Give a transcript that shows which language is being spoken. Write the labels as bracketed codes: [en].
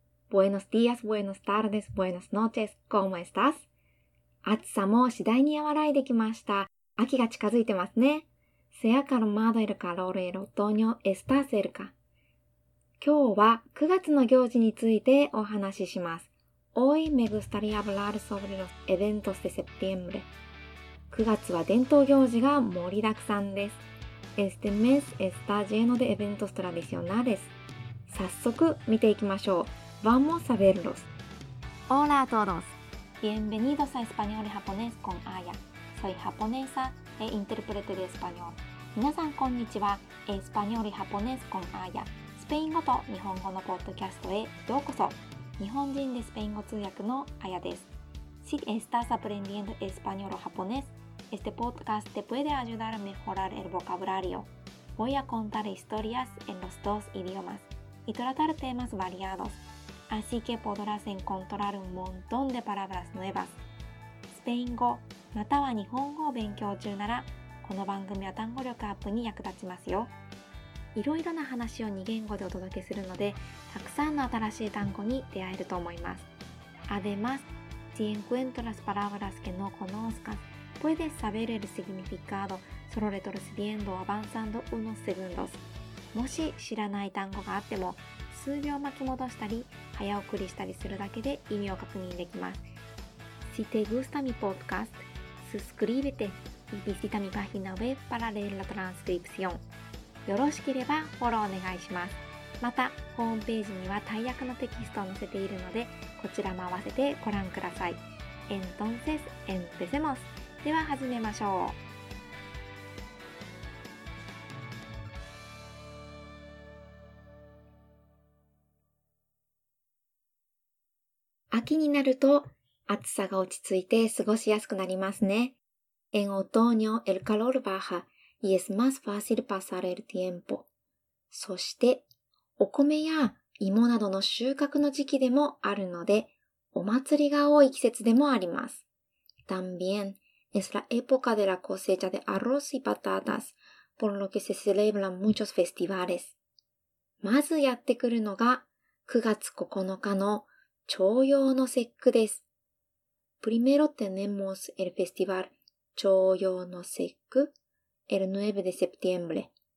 [es] Buenos días, buenas tardes, buenas noches. ¿Cómo estás? [ja] 暑さも次第に和らいできました。秋が近づいてますね。 [es] Se ha calmado el calor y el otoño está cerca. [ja] 今日は9月の行事についてお話しします。 [es] Hoy me gustaría hablar sobre los eventos de septiembre. [ja] 9月は伝統行事が盛りだくさんです。 [es] Este mes está lleno de eventos tradicionales. [ja] 早速見ていきましょう。 [es] Vamos a verlos. Hola a todos. Bienvenidos a Español y Japonés con Aya. Soy japonesa e intérprete de español. [ja] 皆さんこんにちは。 [es] Español y Japonés con Aya. [ja] スペイン語と日本語のポッドキャストへようこそ。日本人でスペイン語通訳のあやです。 [es] Si estás aprendiendo Español o Japonés,Este podcast te puede ayudar a mejorar el vocabulario. Voy a contar historias en los dos idiomas y tratar temas variados. Así que podrás encontrar un montón de palabras nuevas. [ja] スペイン語または日本語を勉強中なら、この番組は単語力アップに役立ちますよ。いろいろな話を2言語でお届けするので、たくさんの新しい単語に出会えると思います。 [es] Además, si encuentras palabras que no conozcas,Puedes saber el significado solo retrocediendo o avanzando unos segundos. [ja] もし知らない単語があっても、数秒巻き戻したり、早送りしたりするだけで意味を確認できます。 [es] Si te gusta mi podcast, suscríbete y visita mi página web para leer la transcripción. [ja] よろしければフォローお願いします。また、ホームページには大訳のテキストを載せているので、こちらも合わせてご覧ください。 [es] Entonces, empecemos! [ja] では始めましょう。秋になると暑さが落ち着いて過ごしやすくなりますね。 [es] En otoño el calor baja y es más fácil pasar el tiempo。 [ja] そしてお米や芋などの収穫の時期でもあるので、お祭りが多い季節でもあります。 [es] También。 Es la época de la cosecha de arroz y patatas, por lo que se celebran muchos festivales. [ja] まずやってくるのが9月9日の重陽の節句です。 [es] Primero tenemos el festival 重陽の節句 el 9 de septiembre.